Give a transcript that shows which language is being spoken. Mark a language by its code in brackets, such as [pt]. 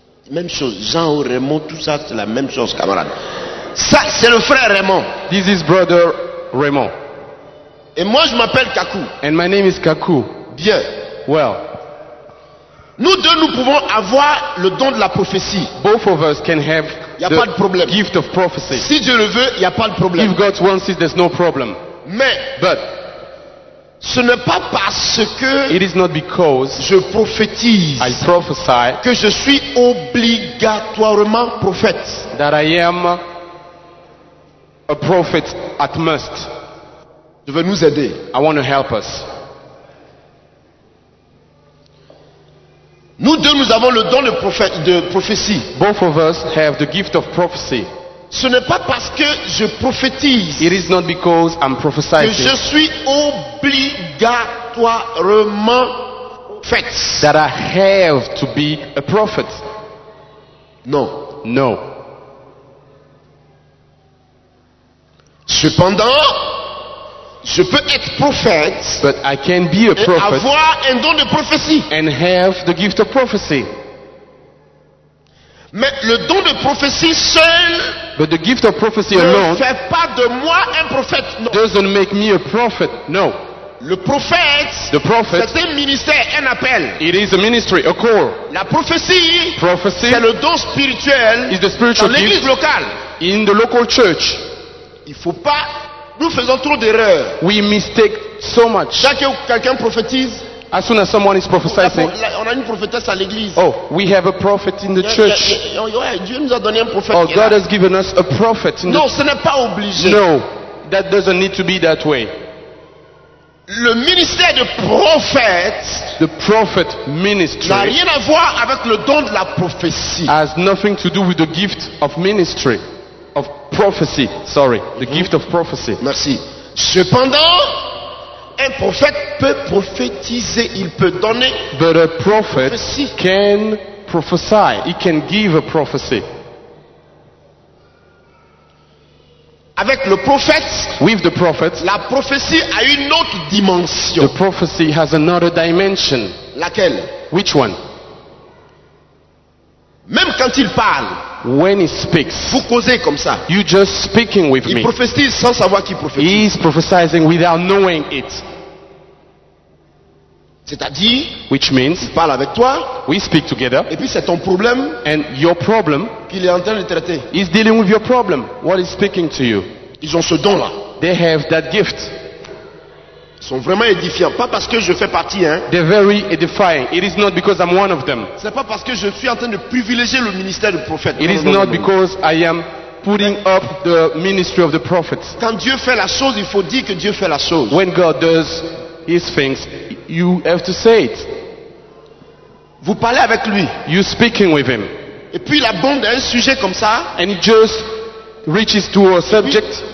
[fr] Même chose, Jean ou Raymond, tout ça, c'est la même chose, camarade. Ça, c'est le frère Raymond. [en] This is brother Raymond. [fr] Et moi, je m'appelle Kakou. [en] And my name is Kakou. [fr] Bien. [en] Well. [fr] Nous deux, nous pouvons avoir le don de la prophétie. [en] Both of us can have the gift of prophecy. [fr] Si Dieu le veut, il n'y a pas de problème. [en] If God wants it, there's no problem. [fr] Mais, [en] but, [fr] ce n'est pas parce que [en] it is not because [fr] je prophétise [en] I prophesy [fr] que je suis obligatoirement prophète. [en] That I am a prophet at most. [fr] Je veux nous aider. [en] I want to help us. [fr] Nous deux, nous avons le don de prophétie. [en] Both of us have the gift of prophecy. [fr] Ce n'est pas parce que je prophétise. [en] It is not because I'm prophesying. [fr] Que je suis obligatoirement prophète. [en] That I have to be a prophet. [fr] Non. [en] No. [fr] Cependant, je peux être prophète. [en] But I can be a prophet. [fr] Et avoir un don de prophétie. [en] And have the gift of prophecy. [fr] Mais le don de prophétie seul. [en] But the gift of prophecy alone [fr] fait pas de moi un prophète. [en] No. Doesn't make me a prophet. No. [fr] Le prophète. [en] The prophet. [fr] C'est un ministère, un appel. [en] It is a ministry, a call. [fr] La prophétie. [en] Prophecy. [fr] C'est le don spirituel. [en] Is the spiritual [fr] dans l'église [en] gift [fr] locale. [en] In the local church. [fr] Il faut pas. Nous faisons trop d'erreurs. [en] We mistake so much. [fr] Chaque quelqu'un prophétise. [en] As soon as someone is prophesying. [fr] On a une prophétesse à l'église. [en] Oh, we have a prophet in the church. [fr] Dieu nous a donné un prophète. [en] Oh, God has given us a prophet in [fr] non, ce n'est pas obligé. [en] No, that doesn't need to be that way. [fr] Le ministère de prophète. [en] The prophet ministry. [fr] N'a rien à voir avec le don de la prophétie. [en] Has nothing to do with the gift of ministry. Of prophecy, sorry. The mm-hmm. gift of prophecy. [fr] Merci. Cependant, un prophète peut prophétiser, il peut donner. [en] But a prophet can prophesy. He can give a prophecy. [fr] Avec le prophète, [en] with the prophet, [fr] la prophétie a une autre dimension. [en] The prophecy has another dimension. [fr] Laquelle? [en] Which one? [fr] Même quand il parle, [en] when he speaks, [fr] vous causez comme ça. [en] You're just speaking with [fr] il [en] me. [fr] Prophétise sans savoir qu'il prophétise. [en] He is prophesizing without knowing it. [fr] C'est-à-dire, [en] which means, [fr] il parle avec toi. [en] We speak together. [fr] Et puis c'est ton problème. [en] And your problem. [fr] Qu'il est en train de traiter. [en] He's dealing with your problem. What is speaking to you? [fr] Ils ont ce don là. [en] They have that gift. [fr] Ils sont vraiment édifiants, pas parce que je fais partie, hein. [en] They're very edifying. It is not because I'm one of them. [fr] C'est pas parce que je suis en train de privilégier le ministère du prophète. [en] It is not because I am putting up the ministry of the prophet. [fr] Quand Dieu fait la chose, il faut dire que Dieu fait la chose. [en] When God does his things, you have to say it. [fr] Vous parlez avec lui. [en] You're speaking with him. [fr] Et puis il aborde un sujet comme ça. [en] And he just reaches to a subject.